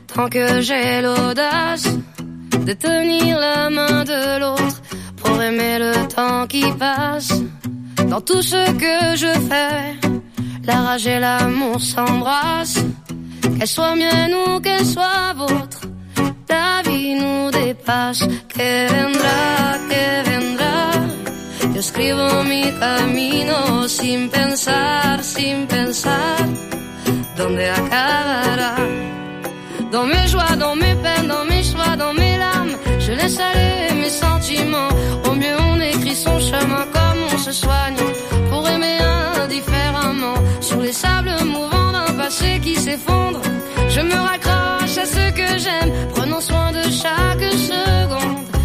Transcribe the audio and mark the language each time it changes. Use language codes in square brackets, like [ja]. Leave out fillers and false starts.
[fr] Que j'ai l'audace de tenir la main de l'autre pour aimer le temps qui passe. Dans tout ce que je fais, la rage et l'amour s'embrassent. Qu'elle soit mienne ou qu'elle soit vôtre, ta vie nous dépasse. [es] Que vendra, que vendra. Yo escribo mi camino sin pensar, sin pensar. Donde acabará. [fr] Dans mes joies, dans mes peines, dans mes choix, dans mes larmes, je laisse aller mes sentiments. Au mieux on écrit son chemin comme on se soigne, pour aimer indifféremment. Sur les sables mouvants d'un passé qui s'effondre, je me raccroche à ce que j'aime, prenant soin de chaque seconde.